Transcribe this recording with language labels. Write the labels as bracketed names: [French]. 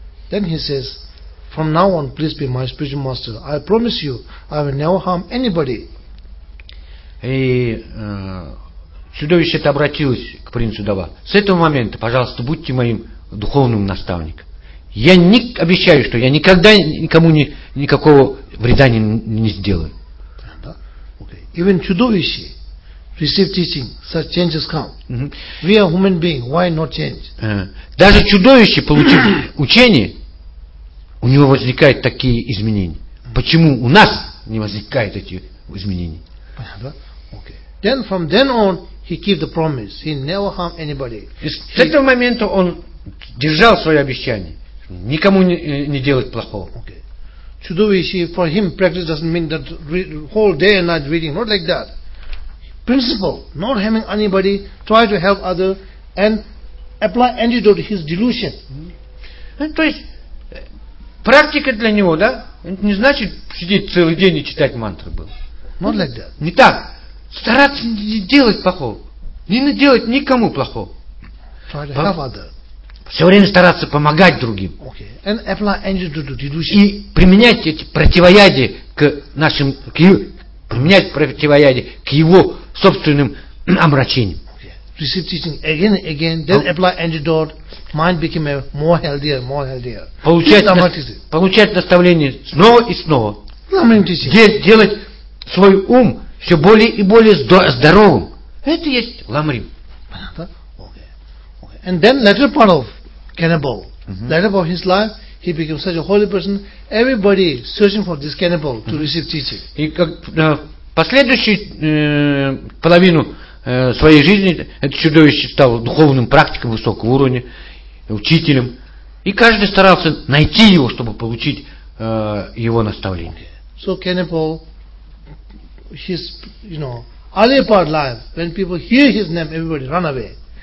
[English] Then he says, from now on, please be my spiritual master. I promise you, I will never harm anybody. [Russian] И чудовище это обратилось к принцу Дава. С этого момента, пожалуйста, будьте моим духовным наставником. Я не обещаю, что я никогда никому не, никакого вреда не, не сделаю. [English] Even чудовище receive teaching, such changes come. We are human beings, why not change? [Russian] Даже чудовище, получив учение, у него возникают такие изменения. Почему у нас не возникают эти изменения? [English] Okay. Then from then on, he keep the promise. He never harm anybody. [Russian] С этого момента он держал свое обещание. Никому не делать плохого. [English] Okay. Чудовище, for him, practice doesn't mean that whole day and night reading, not like that. Principle, not harming anybody, try to help other, and apply antidote to his delusion. [Russian] То есть, практика для него, да? Это не значит сидеть целый день и читать мантры было. [English] Not like that. [Russian] Не так. Стараться не делать плохого. Не делать никому плохого. [English] Try to help other. [Russian] Все время стараться помогать другим. [English] Okay. And apply antidote to delusion. [Russian] И применять эти противоядия к нашим, к его, применять противоядие к его собственным омрачениям. [English] Okay. Receive teaching again and again, then apply antidote, mind became more healthier, more healthier. [Russian] Получать наставление снова и снова. Делать свой ум все более и более здоровым. Это есть ламрим. [English] Okay. And then later part of cannibal. Later part of his life, he became such a holy person, everybody searching for this cannibal to receive teaching. [Russian] И как последующую половину своей жизни это чудовище стало духовным практиком высокого уровня, учителем. И каждый старался найти его, чтобы получить его наставление. [English] So cannibal, his, you know, earlier part life, when people hear his name, everybody run away.